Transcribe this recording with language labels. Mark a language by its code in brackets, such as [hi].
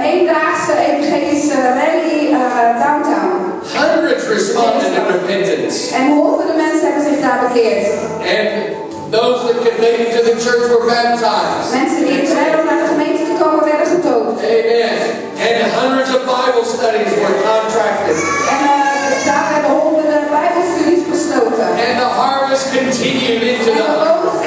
[nl] Een eendaagse evangelische rally [en] downtown. Hundreds responded in repentance. [nl] En honderden mensen hebben zich daar bekeerd. [en] And those that came to the church were baptized. [nl] Mensen die terecht om naar de gemeente te komen werden gedoopt. [en] Amen. And hundreds of Bible studies were contracted. [nl] En daar hebben honderden Bijbelstudies besloten. [en] And the harvest continued into the children